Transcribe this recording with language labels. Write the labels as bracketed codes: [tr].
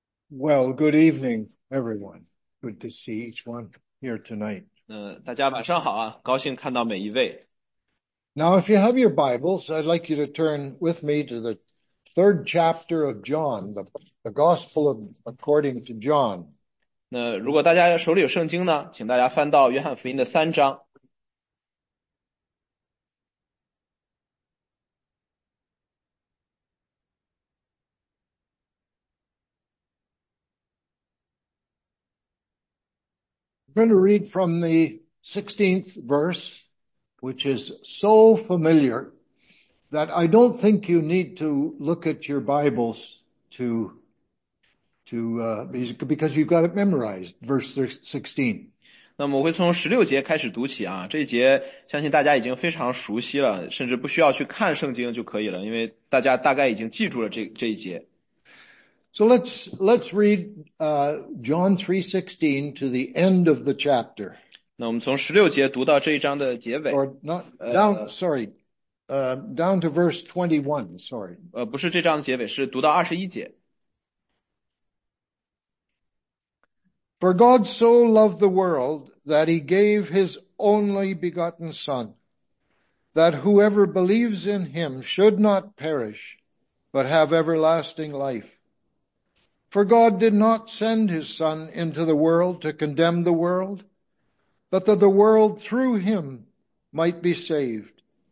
[en] Well, good evening, everyone. Good to see each one here tonight. [zh] 大家晚上好啊，高兴看到每一位。 [en] Now, if you have your Bibles, I'd like you to turn with me to the third chapter of John, the Gospel according to John. [zh] 那如果大家手里有圣经呢，请大家翻到约翰福音的三章。 [en] I'm going to read from the 16th verse, which is so familiar that I don't think you need to look at your Bibles because you've got it memorized, verse 16. [zh] 那么我会从16节开始读起啊，这一节相信大家已经非常熟悉了，甚至不需要去看圣经就可以了，因为大家大概已经记住了这一节。 [en] So let's read John 3:16 to the end of the chapter. [zh] 那我们从16节读到这一章的结尾， [en] Or not down, sorry, down to verse 21, sorry. [zh] 不是这章的结尾，是读到21节。 [en] For God so loved the world that he gave his only begotten son, that whoever believes in him should not perish, but have everlasting life. For God did not send his son into the world to condemn the world, but that the world through him might be saved.